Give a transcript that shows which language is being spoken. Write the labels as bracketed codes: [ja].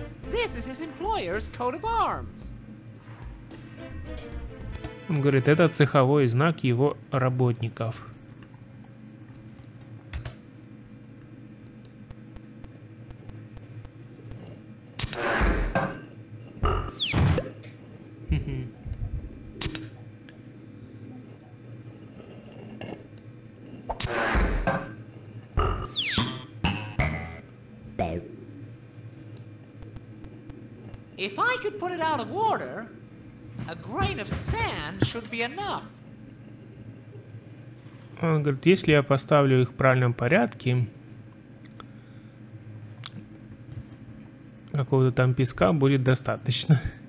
[en] This is his employer's coat of arms. [ru] Он говорит, это цеховой знак его работников. [en] If I could put it out of order, a grain of sand should be enough. [ru] Он говорит, если я поставлю их в правильном порядке, какого-то там песка будет достаточно.